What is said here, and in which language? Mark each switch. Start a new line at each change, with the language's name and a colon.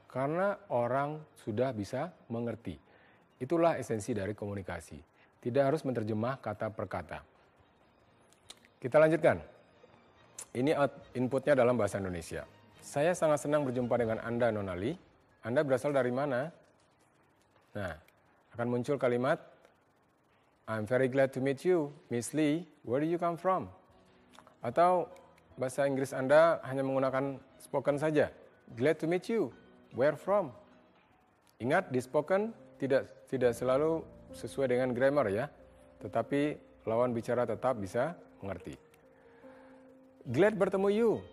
Indonesian: Karena orang sudah bisa mengerti. Itulah esensi dari komunikasi. Tidak harus menerjemah kata per kata. Kita lanjutkan. Ini inputnya dalam bahasa Indonesia. Saya sangat senang berjumpa dengan Anda, Nona Lee. Anda berasal dari mana? Nah, akan muncul kalimat,
English: I'm very glad to meet you, Miss Lee. Where do you come from?
Indonesian: Atau bahasa Inggris Anda hanya menggunakan spoken saja.
English: Glad to meet you. Where from?
Indonesian: Ingat, di spoken tidak selalu sesuai dengan grammar ya. Tetapi lawan bicara tetap bisa mengerti. Glad bertemu you.